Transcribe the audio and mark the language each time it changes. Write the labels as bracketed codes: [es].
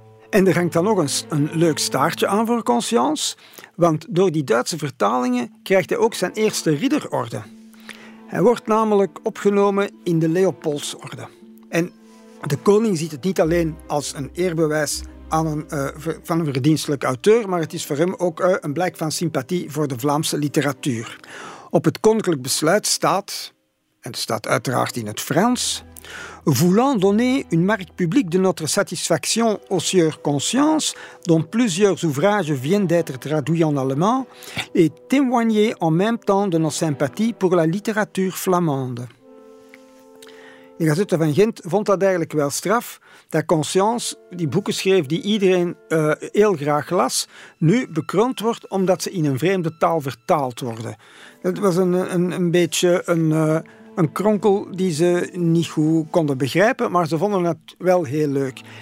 [nl] En er hangt dan nog eens een leuk staartje aan voor Conscience, want door die Duitse vertalingen krijgt hij ook zijn eerste ridderorde. Hij wordt namelijk opgenomen in de Leopoldsorde. En de koning ziet het niet alleen als een eerbewijs van een verdienstelijk auteur, maar het is voor hem ook een blijk van sympathie voor de Vlaamse literatuur. Op het koninklijk besluit staat, en het staat uiteraard in het Frans, [fr] voulant donner une marque publique de notre satisfaction au sieur Conscience, dont plusieurs ouvrages viennent d'être traduits en allemand, et témoigner en même temps de nos sympathies pour la littérature flamande. [nl] De Gazette van Gent vond dat eigenlijk wel straf, dat Conscience, die boeken schreef die iedereen heel graag las, nu bekroond wordt omdat ze in een vreemde taal vertaald worden. Dat was een beetje een kronkel die ze niet goed konden begrijpen, maar ze vonden het wel heel leuk.